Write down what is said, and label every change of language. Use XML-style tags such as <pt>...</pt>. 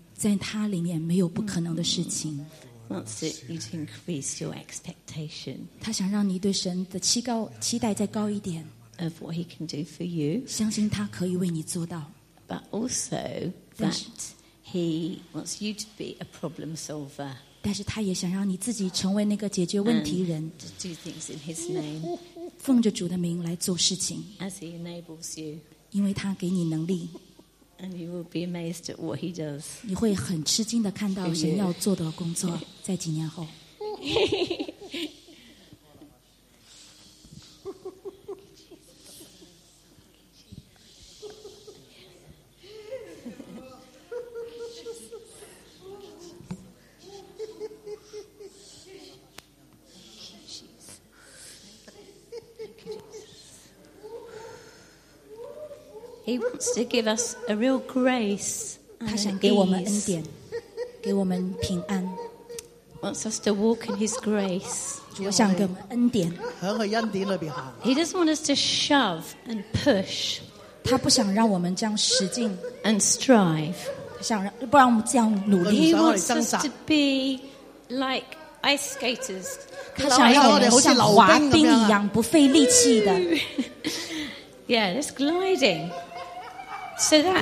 <zh>在他里面没有不可能的事情。</zh> <en>Wants you to increase your expectation.</en> <zh>他想让你对神的期待再高一点。</zh> <en>Of what he can do for you.</en> <zh>相信他可以为你做到。</zh> <en>But also that he wants you to be a problem solver.</en> <zh>但是他也想让你自己成为那个解决问题人。</zh> <en>To do things in his name.</en> <zh>奉着主的名来做事情。</zh> <en>As he enables you.</en> <zh>因为他给你能力</zh> <en>And you will be amazed at what he does.</en> <zh>你会很吃惊地看到神要做的工作在几年后</zh> <en>He wants to give us a real grace.</en> <zh>他想给我们恩典，给我们平安。</zh> <en>Wants us to walk in His grace.</en> <zh>主想给我们恩典，在他恩典里边行。</zh> <en>He doesn't want us to shove and push.</en> <zh>他不想让我们这样使劲</zh> <en>and strive.</en> <zh>想让不让我们这样努力。</zh> <en>He wants us to be like ice skaters.</en> <zh>他想让我们好像滑冰一样，不费力气的。</zh> <en>Yeah, it's gliding. So that</en>